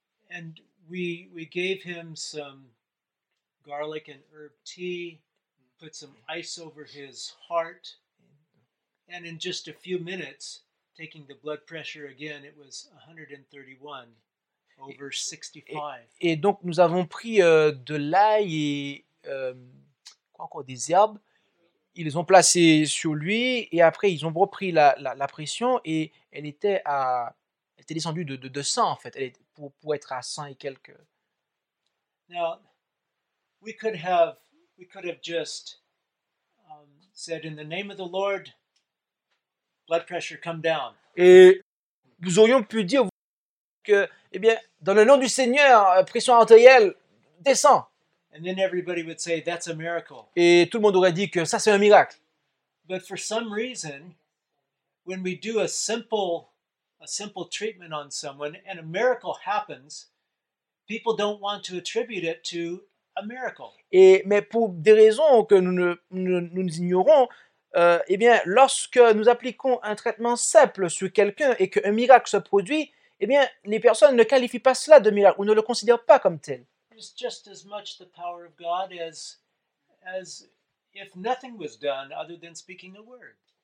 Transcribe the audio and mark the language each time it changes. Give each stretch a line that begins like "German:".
English: And we gave him some garlic and herb tea, put some ice over his heart, and in just a few minutes, taking the blood pressure again, it was 131 over 65.
French: Et donc nous avons pris de l'ail et quoi encore, des herbes. Ils les ont placées sur lui et après ils ont repris la pression et elle était descendue de 100 en fait. Elle était pour être à 100 et quelques.
English: Now, we could have just said in the name of the Lord. Blood pressure come down.
French: Et nous aurions pu dire que, eh bien, dans le nom du Seigneur, pression artérielle descend.
English: And then everybody would say, that's a miracle.
French: Et tout le monde aurait dit que ça, c'est un miracle.
English: But for some reason, when we do a simple treatment on someone and a miracle happens, people don't want to attribute it to a miracle.
French: Mais pour des raisons que nous ignorons, eh bien, lorsque nous appliquons un traitement simple sur quelqu'un et qu'un miracle se produit, eh bien, les personnes ne qualifient pas cela de miracle ou ne le considèrent pas comme tel.
English: It's just as much the power of God as if nothing was done other than speaking a word.